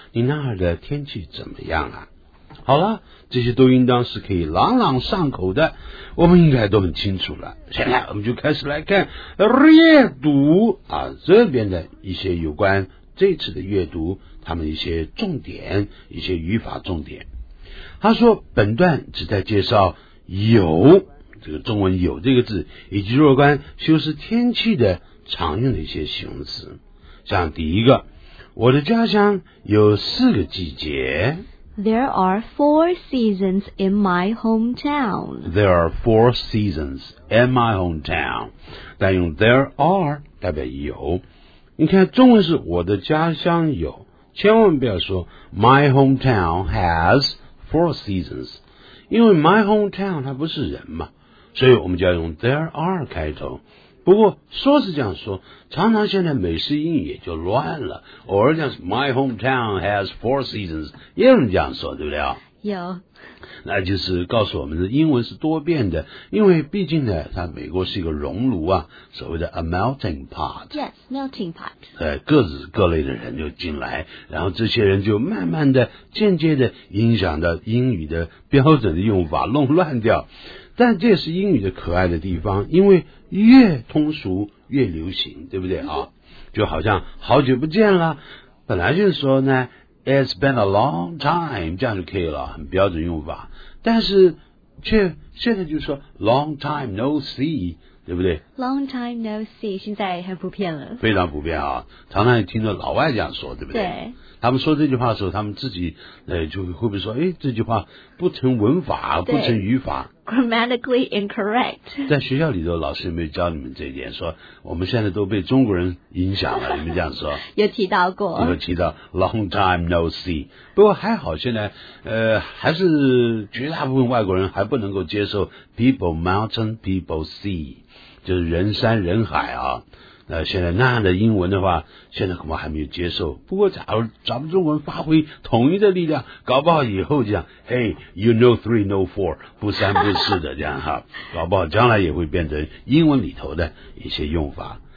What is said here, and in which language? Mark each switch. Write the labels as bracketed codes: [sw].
[zh] 你那儿的天气怎么样啊？好了，这些都应当是可以朗朗上口的，我们应该都很清楚了。现在我们就开始来看阅读啊，这边的一些有关这次的阅读他们一些重点，一些语法重点。他说本段只在介绍有这个中文有这个字，以及若干修饰天气的常用的一些形容词。像第一个，我的家乡有四个季节。 [en] There are four seasons in my hometown. There are four seasons in my hometown. [zh] 但用 there are 代表有。你看中文是我的家乡有，千万不要说 [en] my hometown has four seasons. [zh] 因为 my hometown 它不是人嘛，所以我们就要用 there are 开头。不过说是这样说，常常现在美式英语也就乱了，偶尔讲 [en] My hometown has four seasons [zh] 也有人这样说，对不对？有，那就是告诉我们的英文是多变的，因为毕竟呢它美国是一个熔炉啊，所谓的 [en] a melting pot。 Yes, melting pot。 [zh] 对，各自各类的人就进来，然后这些人就慢慢的间接的影响到英语的标准的用法，弄乱掉。但这也是英语的可爱的地方，因为越通俗越流行，对不对啊？就好像好久不见了，本来就是说呢 [en] It's been a long time， [zh] 这样就可以了，很标准用法。但是却现在就是说 [en] Long time no see， [zh] 对不对？ [en] Long time no see [zh] 现在很普遍了，非常普遍啊，常常听到老外这样说，对不 对，对，他们说这句话的时候，他们自己就会不会说，哎，这句话不成文法，不成语法 [en] ，grammatically incorrect。 [zh] 在学校里头，老师有没有教你们这一点？说我们现在都被中国人影响了，你们这样说？有提到过？有提到 [en] long time no see。 [zh] 不过还好，现在还是绝大部分外国人还不能够接受 [en] people mountain people sea， [zh] 就是人山人海啊。现在那样的英文的话，现在恐怕还没有接受。不过假如咱们中国人发挥统一的力量，搞不好以后这样 [en] Hey, you know three, know four， [zh] 不三不四的这样哈，搞不好将来也会变成英文里头的一些用法。